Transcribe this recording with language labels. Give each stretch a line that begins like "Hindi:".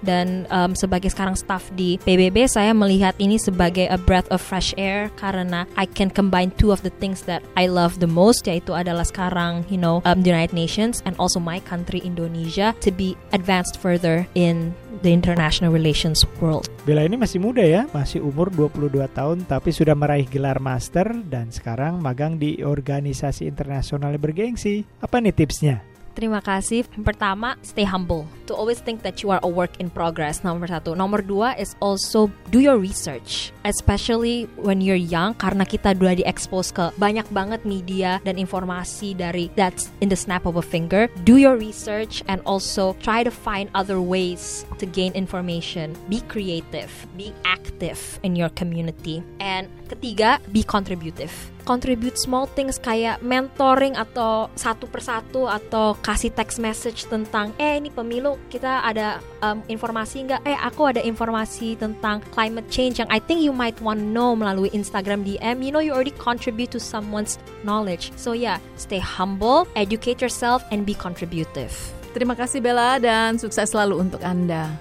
Indonesian: Dan sebagai sekarang staff di PBB, saya melihat ini sebagai
English: a breath of fresh air, karena I can combine two of the things that I love the most,
Indonesian: yaitu adalah sekarang,
English: you know, the United Nations and also my country Indonesia to be advanced further in the international relations world.
Indonesian: Bella ini masih muda ya, masih umur 22 tahun tapi sudah meraih gelar master dan sekarang magang di organisasi internasional bergengsi. Apa nih tipsnya? Terima kasih. Pertama,
English: stay humble. To always think that you are a work in progress,
Indonesian: nomor satu. Nomor dua
English: is also do your research. Especially when you're young,
Indonesian: karena kita udah di-expose ke banyak banget media dan informasi dari
English: that's in the snap of a finger. Do your research and also try to find other ways to gain information. Be creative. Be active in your community. And ketiga, be contributive. contribute small things
Indonesian: kayak mentoring atau satu persatu atau kasih text message tentang ini pemilu kita ada informasi enggak,
English: aku ada informasi tentang climate change yang I think you might want to know melalui Instagram DM, you know you already contribute to someone's knowledge. So yeah, stay humble, educate yourself and be contributive.
Indonesian: Terima kasih Bella dan sukses selalu untuk Anda.